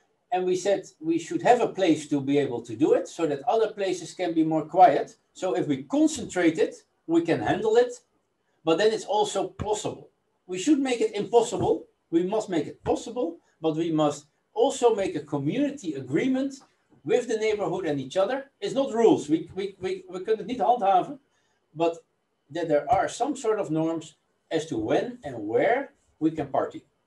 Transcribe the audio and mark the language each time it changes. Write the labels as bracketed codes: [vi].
[en] And we said we should have a place to be able to do it so that other places can be more quiet. So if we concentrate it, we can handle it. But then it's also possible. We should make it impossible. We must make it possible. But we must also make a community agreement with the neighborhood and each other. It's not rules. [nl] We kunnen het niet handhaven. [en] But that there are some sort of norms as to when and where we can party.